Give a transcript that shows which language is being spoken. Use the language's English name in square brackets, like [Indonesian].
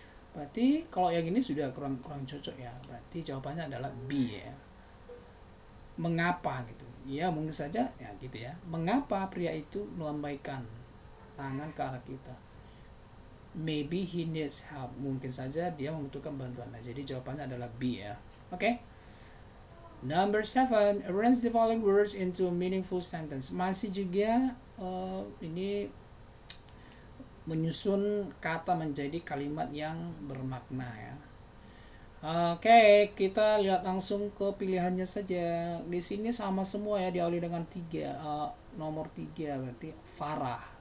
[Indonesian] Berarti kalau yang ini sudah kurang cocok ya. Berarti jawabannya adalah B ya. Mengapa gitu? Ya mungkin saja ya gitu ya. Mengapa pria itu melambaikan tangan ke arah kita? [English] Maybe he needs help. [Indonesian] Mungkin saja dia membutuhkan bantuan. Nah, jadi jawabannya adalah B ya. Oke. Okay. [English] Number 7, arrange the following words into a meaningful sentence. [Indonesian] Masih juga ini menyusun kata menjadi kalimat yang bermakna ya. Oke, kita lihat langsung ke pilihannya saja. Di sini sama semua ya, diawali dengan 3, nomor 3 berarti Farah.